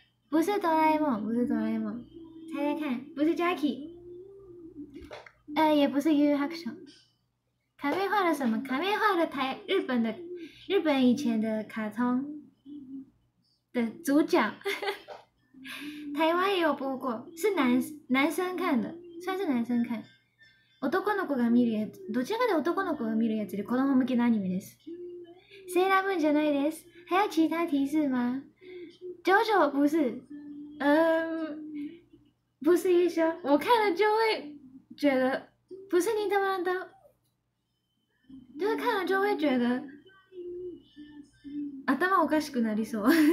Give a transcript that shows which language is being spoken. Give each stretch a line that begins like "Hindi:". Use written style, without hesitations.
Chinese: 不是哆啦 A 梦，不是哆啦 A 梦，猜猜看，不是 Jackie， 也不是 Yu Yu Hakusho。卡妹画了什么？卡妹画了日本以前的卡通的主角，台湾也有播过，是男生看的，算是男生看。
Japanese: 男の子が見るやつ、どちらかで男の子が見るやつで子供向けのアニメです。セーラームーンじゃないです。
Chinese: 还有其他提示吗？九九不是，不是一休，我看了就会觉得不是你怎么的，就是看了就会觉得
Japanese: 頭おかしくなりそう。